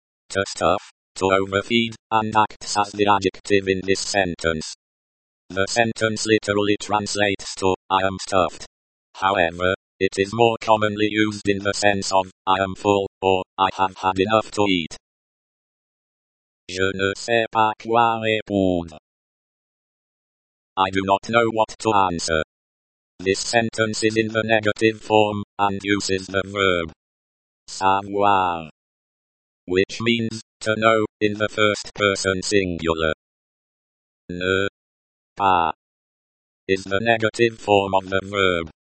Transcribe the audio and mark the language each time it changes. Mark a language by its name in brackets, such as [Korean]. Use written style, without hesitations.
[English] To stuff, to overfeed, and acts as the adjective in this sentence. The sentence literally translates to, I am stuffed. However, it is more commonly used in the sense of, I am full, or, I have had enough to eat. [French] Je ne sais pas quoi répondre. [English] I do not know what to answer. This sentence is in the negative form, and uses the verb savoir, which means, to know, in the first person singular. Ne pas is the negative form of the verb.